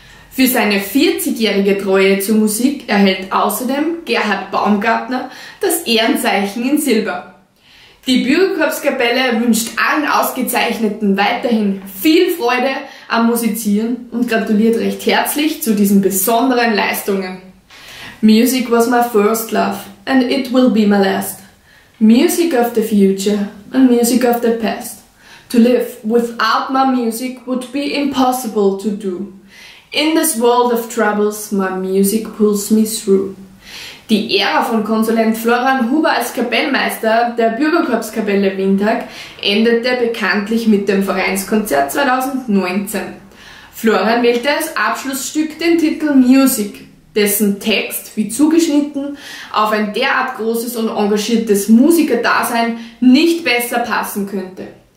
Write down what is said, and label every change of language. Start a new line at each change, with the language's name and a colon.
German: Für seine 40-jährige Treue zur Musik erhält außerdem Gerhard Baumgartner das Ehrenzeichen in Silber. Die Bürgerkorpskapelle wünscht allen Ausgezeichneten weiterhin viel Freude am Musizieren und gratuliert recht herzlich zu diesen besonderen Leistungen.
English: Music was my first love and it will be my last. Music of the future and music of the past. To live without my music would be impossible to do. In this world of troubles, my music pulls me through.
German: Die Ära von Konsulent Florian Huber als Kapellmeister der Bürgerkorpskapelle Windhag endete bekanntlich mit dem Vereinskonzert 2019. Florian wählte als Abschlussstück den Titel Music, dessen Text, wie zugeschnitten, auf ein derart großes und engagiertes Musikerdasein nicht besser passen könnte.